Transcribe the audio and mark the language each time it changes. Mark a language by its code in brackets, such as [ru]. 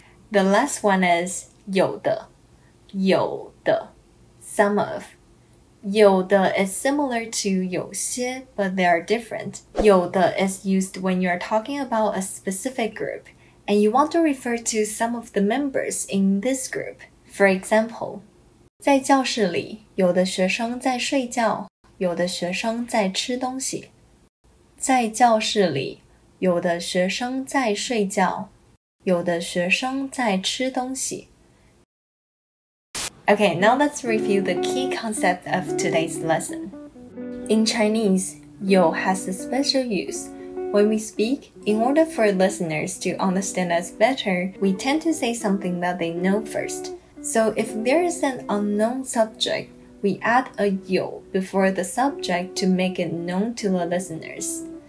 [en] The last one is [zh] 有的有的 [en] some of 有的 is similar to 有些 but they are different 有的 is used when you are talking about a specific group and you want to refer to some of the members in this group For example [zh] 在教室里有的学生在睡觉有的学生在吃东西在教室里有的学生在睡觉有的学生在吃东西 [en] Okay, now let's review the key concept of today's lesson. In Chinese, 有 has a special use. When we speak, in order for listeners to understand us better, we tend to say something that they know first. So if there is an unknown subject, we add a 有 before the subject to make it known to the listeners.